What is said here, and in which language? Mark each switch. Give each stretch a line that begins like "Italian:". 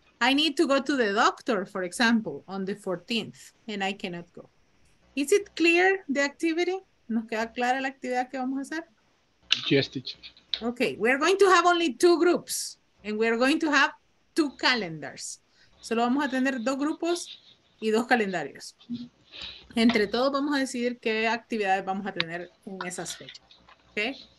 English: I need to go to the doctor, for example, on the 14th, and I cannot go. Is it clear, the activity?
Spanish: ¿Nos queda clara la actividad que vamos a hacer?
English: Yes, teacher. Okay, we're going to have only two groups. And we are going to have two calendars.
Spanish: Solo vamos a tener dos grupos y dos calendarios. Entre todos vamos a decidir qué actividades vamos a tener en esas fechas. Okay?